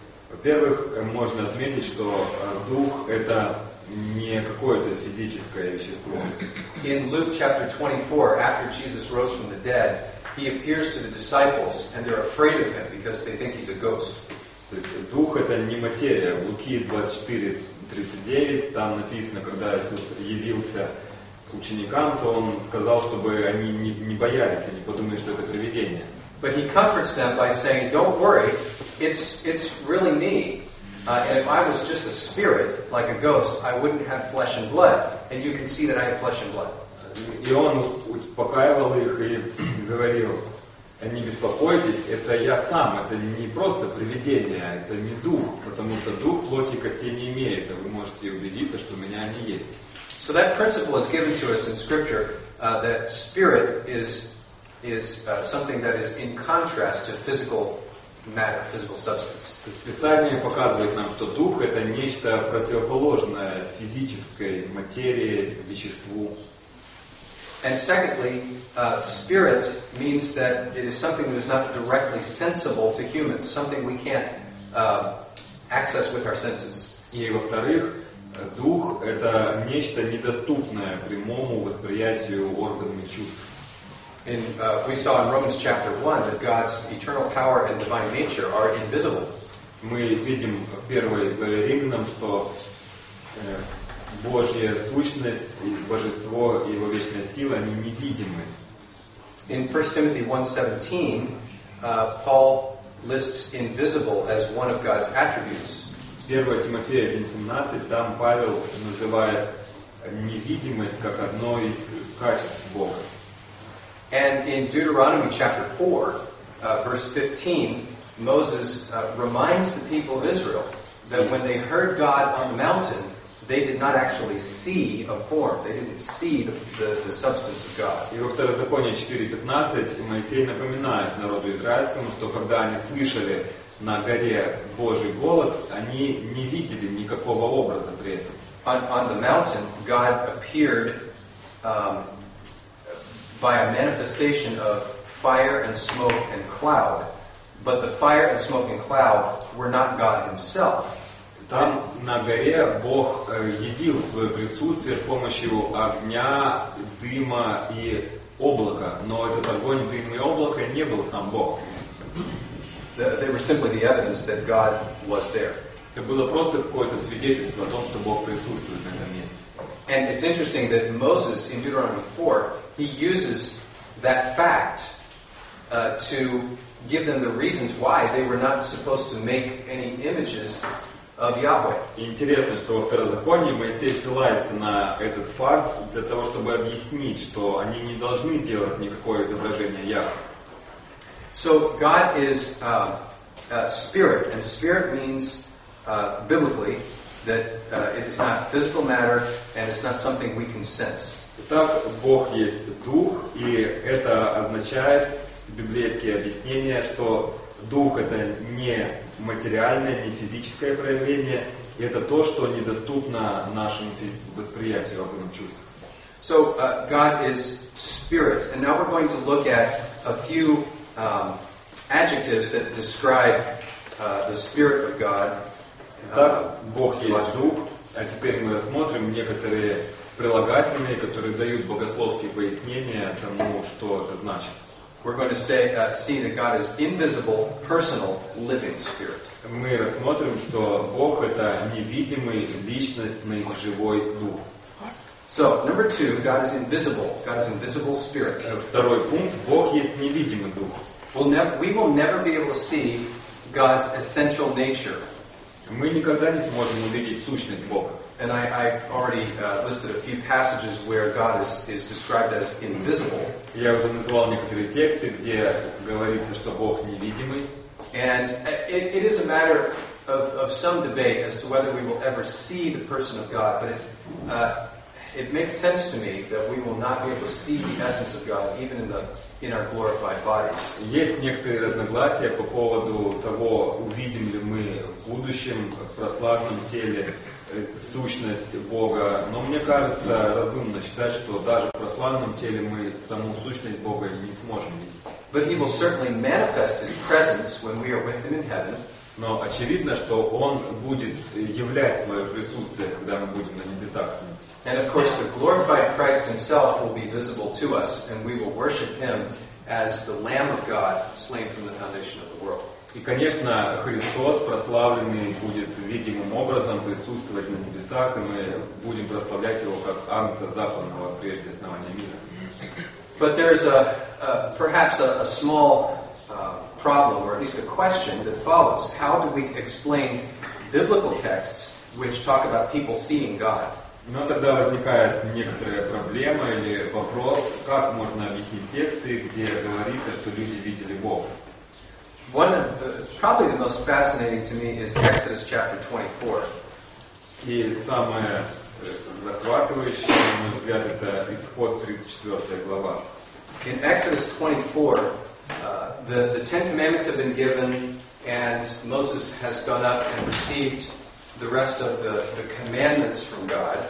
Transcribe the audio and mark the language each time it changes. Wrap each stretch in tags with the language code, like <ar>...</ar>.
<ru>Во-первых, можно отметить, что дух это не какое-то физическое вещество.</ru> <en>In Luke chapter 24, after Jesus rose from the dead, he appears to the disciples, and they're afraid of him because they think he's a ghost.</en> <ru>То есть дух это не материя. В Луки 24:39 там написано, когда Иисус явился ученикам, то он сказал, чтобы они не боялись и не подумали, что это привидение.</ru> <en>But he comforts them by saying, "Don't worry, it's really me. And if I was just a spirit, like a ghost, I wouldn't have flesh and blood. And you can see that I have flesh and blood."</en> <ru>И он успокаивал их и говорил, не беспокойтесь, это я сам, это не просто привидение, это не дух, потому что дух плоти и костей не имеет, а вы можете убедиться, что у меня они есть.</ru> <en>So that principle is given to us in Scripture, that spirit is something that is in contrast to physical matter, physical substance.</en> <ru>То есть Писание показывает нам, что дух это нечто противоположное физической материи, веществу.</ru> <en>And secondly, spirit means that it is something that is not directly sensible to humans, something we can't access with our senses.</en> <ru>И во-вторых, дух — это нечто недоступное прямому восприятию органами чувств.</ru> <en>We saw in Romans chapter 1 that God's eternal power and divine nature are invisible.</en> <ru>Мы видим в первой главе Римлянам, что Божья сущность и божество, и его вечная сила, они невидимы.</ru> <en>In 1 Timothy 1:17, Paul lists invisible as one of God's attributes.</en> <ru>1 Тимофея 1:17, там Павел называет невидимость как одно из качеств Бога.</ru> <en>And in Deuteronomy chapter 4, verse 15, Moses reminds the people of Israel that when they heard God on the mountain, they did not actually see a form. They didn't see the substance of God.</en> <ru>И во Второзаконии 4:15 Моисей напоминает народу израильскому, что когда они слышали на горе Божий голос, они не видели никакого образа при этом.</ru> <en>On the mountain, God appeared by a manifestation of fire and smoke and cloud. But the fire and smoke and cloud were not God himself.</en> <ru>Там на горе Бог явил свое присутствие с помощью огня, дыма и облака, но этот огонь, дым и облако не был сам Бог.</ru> <en>They were simply the evidence that God was there.</en> <ru>Это было просто какое-то свидетельство о том, что Бог присутствует на этом месте.</ru> <en>And it's interesting that Moses in Deuteronomy 4, he uses that fact to give them the reasons why they were not supposed to make any images of Yahweh.</en> <ru>Интересно, что во Второзаконии Моисей ссылается на этот факт для того, чтобы объяснить, что они не должны делать никакое изображение Яхве.</ru> <en>So God is spirit, and spirit means biblically that it is not physical matter and it's not something we can sense.</en> <ru>Итак, Бог есть дух, и это означает библейские объяснения, что дух это не материальное, не физическое проявление, и это то, что недоступно нашему восприятию, органам чувств.</ru> <en>So God is spirit, and now we're going to look at a few adjectives that describe the spirit of God.</en> <ru>Итак, Бог есть дух, а теперь мы рассмотрим некоторые прилагательные, которые дают богословские пояснения тому, что это значит.</ru> <en>We're going to say, see that God is invisible, personal, living spirit.</en> <ru>Мы рассмотрим, что Бог это невидимый личностный живой дух.</ru> <en>So, number two, God is invisible. God is invisible spirit.</en> <ru>Второй пункт, Бог есть невидимый дух.</ru> <en>We will never be able to see God's essential nature.</en> <ru>Мы никогда не сможем увидеть сущность Бога.</ru> <en>And I already listed a few passages where God is described as invisible.</en> <ru>Я уже назвал некоторые тексты, где говорится, что Бог невидимый.</ru> <en>And it is a matter of some debate as to whether we will ever see the person of God, but it makes sense to me that we will not be able to see the essence of God even in our glorified bodies.</en> <ru>Есть некоторые разногласия по поводу того, увидим ли мы в будущем в прославленном теле сущность Бога, но мне кажется разумно считать, что даже в прославленном теле мы саму сущность Бога не сможем видеть.</ru> <en>But He will certainly manifest His presence when we are with Him in heaven.</en> <ru>Но очевидно, что Он будет являть свое присутствие, когда мы будем на небесах с Ним.</ru> <en>And of course, the glorified Christ Himself will be visible to us, and we will worship Him as the Lamb of God slain from the foundation of the world.</en> <ru>И, конечно, Христос прославленный будет видимым образом присутствовать на небесах, и мы будем прославлять Его как Агнца Западного прежде основания мира.</ru> <en>But there's a small problem, or at least a question that follows: how do we explain biblical texts which talk about people seeing God?</en> <ru>Но тогда возникает некоторая проблема или вопрос, как можно объяснить тексты, где говорится, что люди видели Бога.</ru> <en>One of probably the most fascinating to me is Exodus chapter 24.</en> <ru>И самое захватывающее, на мой взгляд, это Исход 34 глава.</ru> <en>In Exodus 24, the Ten Commandments have been given, and Moses has gone up and received the rest of the commandments from God.</en>